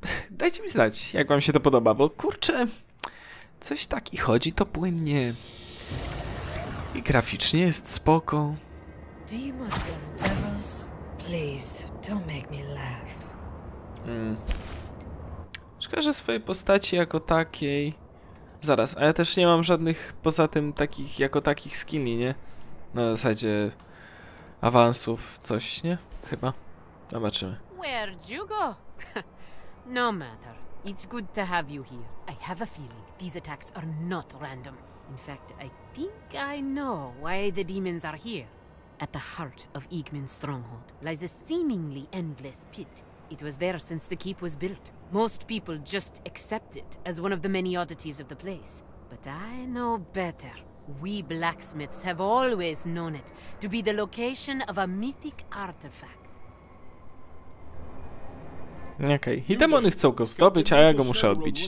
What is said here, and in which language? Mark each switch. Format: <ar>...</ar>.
<pl>Dajcie mi znać, jak wam się to podoba, bo kurczę, coś tak i chodzi to płynnie. I graficznie jest spoko.</pl> <en>Demons and devils, please don't make me laugh.</en> <pl>Szkoda, że swojej postaci jako takiej. Zaraz, a ja też nie mam żadnych poza tym takich jako takich skilli, nie? Na zasadzie awansów, coś, nie? Chyba. Zobaczymy.</pl> <en>Where'd you go? No matter. It's good to have you here. I have a feeling these attacks are not random. In fact, I think I know why the demons are here. At the heart of Igmund's stronghold lies a seemingly endless pit. It was there since the keep was built. Most people just accept it as one of the many oddities of the place. But I know better. We blacksmiths have always known it to be the location of a mythic artifact.</en> <pl>Okay, i demony chcą go zdobyć, a ja go muszę odbić.</pl>